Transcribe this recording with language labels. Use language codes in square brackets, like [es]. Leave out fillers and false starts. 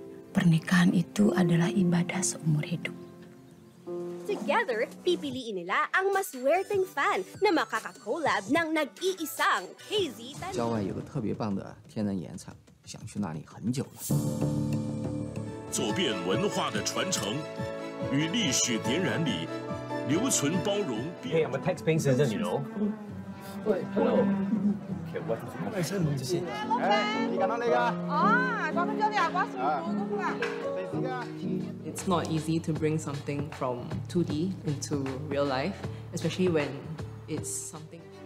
[ms] Pernikahan itu adalah ibadah seumur hidup. [tl] Together, pipiliin nila ang mas worth ng fan na makaka-collab ng nag-iisang KZ Tan. [zh] 郊外有个特别棒的天然岩场，想去那里很久了。走遍文化的传承，与历史点燃里留存包容。 [en] Hey, I'm a tax-paying citizen, you know. It's not easy to bring something from 2D into real life, especially when it's something.